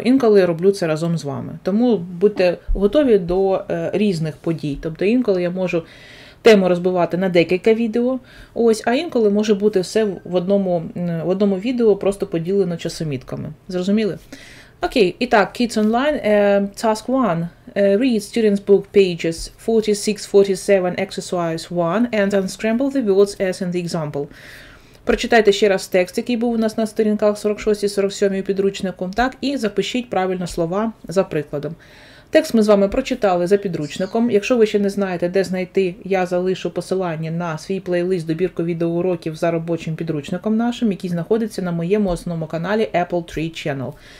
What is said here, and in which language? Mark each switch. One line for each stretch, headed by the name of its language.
Ukrainian: Інколи роблю це разом з вами. Тому будьте готові до різних подій. Тобто інколи я можу тему розбивати на декілька відео, ось, а інколи може бути все в одному відео просто поділено часомітками. Зрозуміли? Окей, і так,
English: Kids Online, task 1. Read student's book pages 46-47, exercise 1, and unscramble the words as in the example.
Ukrainian: Прочитайте ще раз текст, який був у нас на сторінках 46-47 у підручнику, так, і запишіть правильно слова за прикладом. Текст ми з вами прочитали за підручником. Якщо ви ще не знаєте, де знайти, я залишу посилання на свій плейлист «Добірку відеоуроків» за робочим підручником нашим, який знаходиться на моєму основному каналі Apple Tree Channel.